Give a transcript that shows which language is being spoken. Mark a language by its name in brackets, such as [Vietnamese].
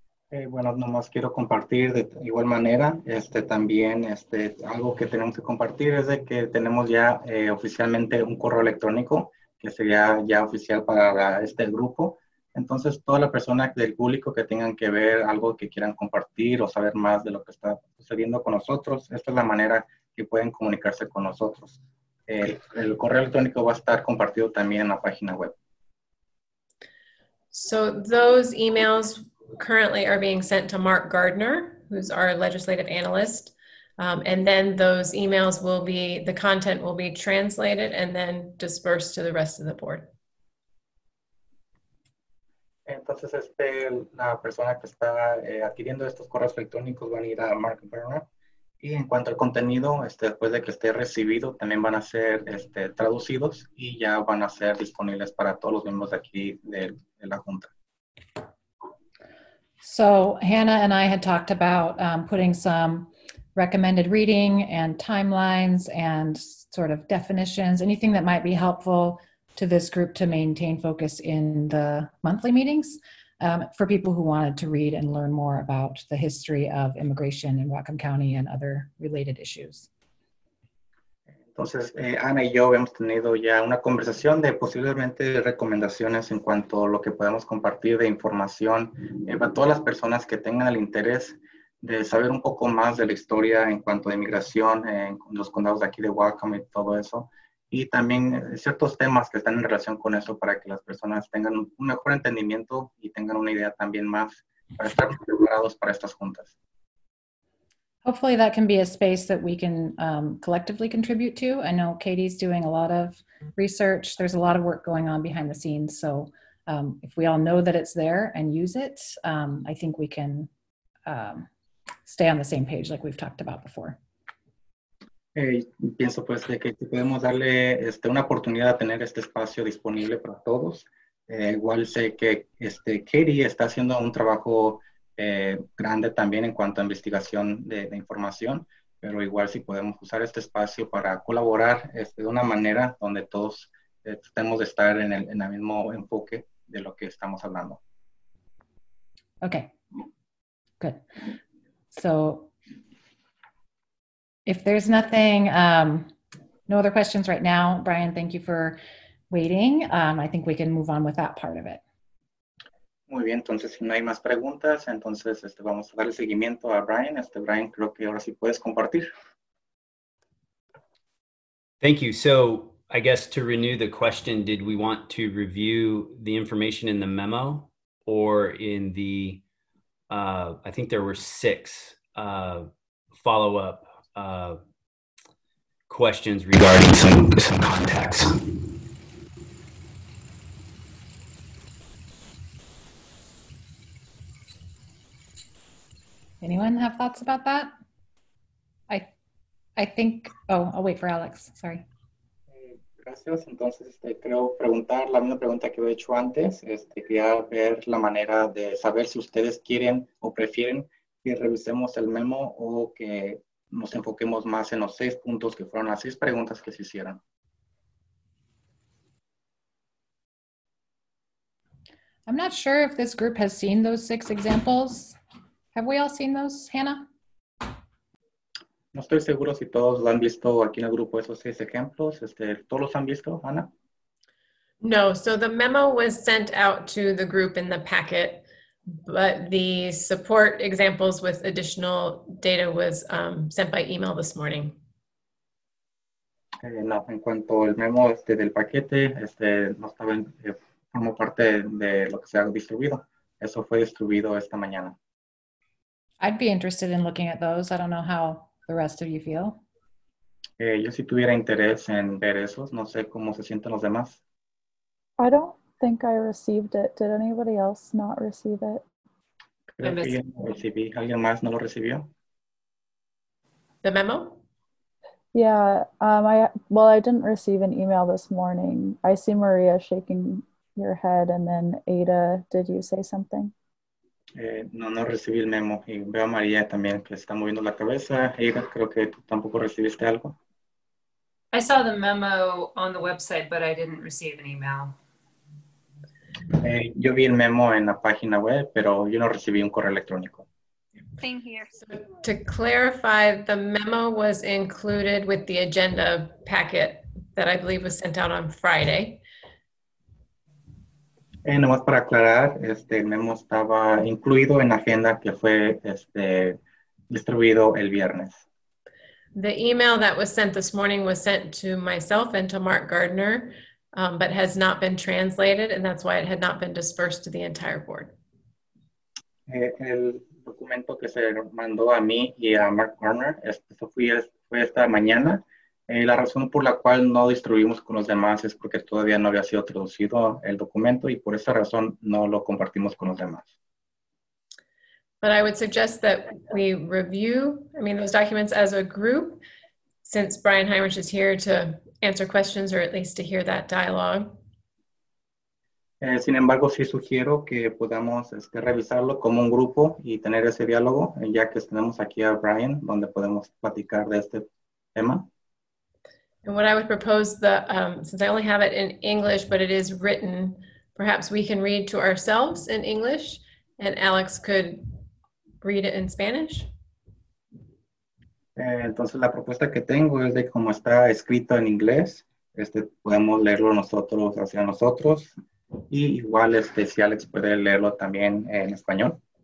[Spanish] Hey, bueno, nomás quiero compartir de igual manera, también, algo que tenemos que compartir es de que tenemos ya oficialmente un correo electrónico que sería ya oficial para este grupo. Entonces, toda la persona del público que tengan que ver algo que quieran compartir o saber más de lo que está sucediendo con nosotros, esta es la manera que pueden comunicarse con nosotros. El correo electrónico va a estar compartido también en la página web. [English] So, those emails currently are being sent to Mark Gardner, who's our legislative analyst. And then those emails will be, the content will be translated and then dispersed to the rest of the board. [Spanish] Entonces, la persona que está adquiriendo estos correos electrónicos van a ir a Mark Gardner. Y en cuanto al contenido, después de que esté recibido, también van a ser traducidos y ya van a ser disponibles para todos los miembros de aquí de la Junta. [English] So Hannah and I had talked about putting some recommended reading and timelines and sort of definitions, anything that might be helpful to this group to maintain focus in the monthly meetings for people who wanted to read and learn more about the history of immigration in Whatcom County and other related issues. [Spanish] Entonces, Ana y yo hemos tenido ya una conversación de posiblemente recomendaciones en cuanto a lo que podemos compartir de información para todas las personas que tengan el interés de saber un poco más de la historia en cuanto a inmigración en los condados de aquí de Whatcom y todo eso. Y también ciertos temas que están en relación con eso para que las personas tengan un mejor entendimiento y tengan una idea también más para estar preparados para estas juntas. [English] Hopefully that can be a space that we can collectively contribute to. I know Katie's doing a lot of research. There's a lot of work going on behind the scenes. So if we all know that it's there and use it, I think we can stay on the same page like we've talked about before. [Spanish] Pienso pues de que podemos darle una oportunidad a tener este espacio disponible para todos. Igual sé que Katie está haciendo un trabajo grande también en cuanto a investigación de información, pero igual si podemos usar este espacio para colaborar de una manera donde todos tenemos de estar en el mismo enfoque de lo que estamos hablando. [English] Okay, good. So, if there's nothing, no other questions right now, Brian, thank you for waiting. I think we can move on with that part of it. [Spanish] Muy bien, entonces si no hay más preguntas, entonces vamos a darle seguimiento a Brian. Brian, creo que ahora sí puedes compartir. [English] Thank you. So I guess to renew the question, did we want to review the information in the memo or in the, I think there were six follow-up questions regarding some contacts. Anyone have thoughts about that? I'll wait for Alex, sorry. [Spanish] Gracias, entonces creo preguntar la misma pregunta que he hecho antes, quería ver la manera de saber si ustedes quieren o prefieren que revisemos el memo o que nos enfoquemos más en los seis puntos que fueron las seis preguntas que se hicieron. [English] I'm not sure if this group has seen those six examples. Have we all seen those, Hannah? [Spanish] No estoy seguro si todos lo han visto aquí en el grupo esos seis ejemplos. ¿Todos los han visto, Hannah? [English] No, so the memo was sent out to the group in the packet, but the support examples with additional data was sent by email this morning. [Spanish] No, en cuanto al memo del paquete, no estaba formó parte de lo que se ha distribuido. Eso fue distribuido esta mañana. [English] I'd be interested in looking at those. I don't know how the rest of you feel. [Spanish] Yo si tuviera interés en ver esos, no sé cómo se sienten los demás. [English] I don't think I received it. Did anybody else not receive it? [Spanish] Creo que yo no recibí. ¿Alguien más no lo recibió? [English] The memo? I didn't receive an email this morning. I see Maria shaking your head, and then Ada, did you say something? [Spanish] No recibí el memo, y veo a María también que está moviendo la cabeza. Ada, creo que tú tampoco recibiste algo. [English] I saw the memo on the website, but I didn't receive an email. [Spanish] Yo vi el memo en la página web, pero yo no recibí un correo electrónico. [English] Same here. So to clarify, the memo was included with the agenda packet that I believe was sent out on Friday. [Spanish] Nomás para aclarar, el memo estaba incluido en la agenda que fue distribuido el viernes. [English] The email that was sent this morning was sent to myself and to Mark Gardner, but has not been translated, and that's why it had not been dispersed to the entire board. [Spanish] El documento que se mandó a mí y a Mark Garner, eso fue esta mañana. La razón por la cual no distribuimos con los demás es porque todavía no había sido traducido el documento y por esa razón no lo compartimos con los demás. [English] But I would suggest that we review, those documents as a group, since Brian Heinrich is here to answer questions or at least to hear that dialogue. [Spanish] Sin embargo, sí sugiero que podamos revisarlo como un grupo y tener ese diálogo, ya que tenemos aquí a Brian, donde podemos platicar de este tema. [English] And what I would propose, since I only have it in English, but it is written, perhaps we can read to ourselves in English, and Alex could read it in Spanish. [Spanish] Entonces, la propuesta que tengo es de cómo está escrito en inglés, podemos leerlo nosotros hacia nosotros. Y igual si Alex puede leerlo también en español.